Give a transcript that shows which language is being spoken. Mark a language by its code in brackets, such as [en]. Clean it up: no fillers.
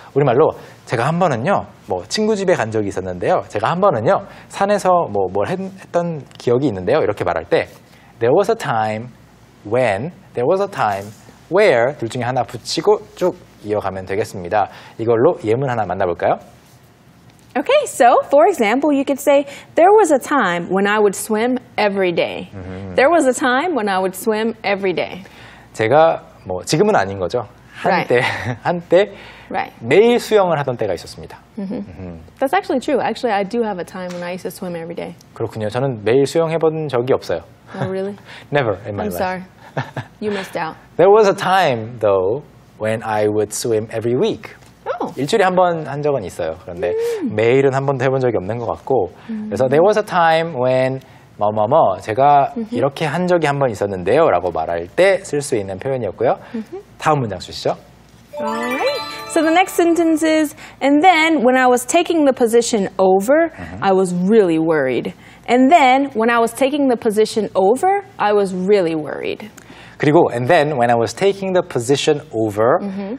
[ko] 우리말로 제가 한 번은요, 뭐 친구 집에 간 적이 있었는데요. 제가 한 번은요, 산에서 뭐뭘 했던 기억이 있는데요. 이렇게 말할 때 [en] There was a time when, there was a time where [ko] 둘 중에 하나 붙이고 쭉 이어가면 되겠습니다. 이걸로 예문 하나 만나볼까요? [en] Okay, so for example, you could say There was a time when I would swim every day. Mm-hmm. There was a time when I would swim every day. [ko] 제가 뭐 지금은 아닌 거죠. 한때 [en] right. [ko] 매일 수영을 하던 때가 있었습니다. [en] Mm-hmm. Mm-hmm. That's actually true. Actually, I do have a time when I used to swim every day. [ko] 그렇군요. 저는 매일 수영해본 적이 없어요. [en] Oh, really? Never in my life. I'm sorry. You missed out. There was a time, though, when I would swim every week. Oh. [ko] 일주일에 한 번 한 적은 있어요. 그런데 mm. 매일은 한 번도 해본 적이 없는 것 같고. [en] Mm. 그래서 there was a time when [ko] 뭐뭐뭐 제가 [en] mm-hmm. [ko] 이렇게 한 적이 한 번 있었는데요 라고 말할 때 쓸 수 있는 표현이었고요. Mm-hmm. 다음 문장 주시죠. [en] Alright, so the next sentence is And then when I was taking the position over, mm-hmm. I was really worried. And then when I was taking the position over, I was really worried. 그리고 and then when I was taking the position over, mm-hmm.